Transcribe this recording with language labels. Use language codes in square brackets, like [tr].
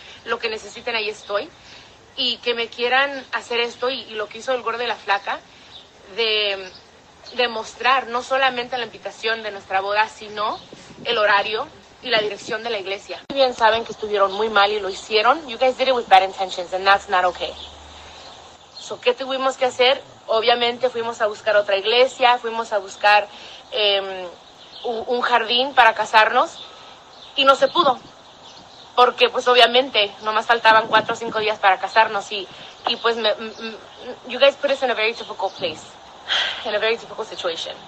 [es] Lo que necesiten, ahí estoy. Y que me quieran hacer esto y lo que hizo el gordo y la flaca, de mostrar no solamente la invitación de nuestra boda, sino el horario y la dirección de la iglesia. Muy bien saben que estuvieron muy mal y lo hicieron. [en] You guys did it with bad intentions and that's not okay. [es] So, ¿qué tuvimos que hacer? Obviamente fuimos a buscar otra iglesia, fuimos a buscar un jardín para casarnos y no se pudo. Porque pues obviamente nomás faltaban 4 o 5 días para casarnos y pues [en] you guys put us in a very difficult place, in a very difficult situation.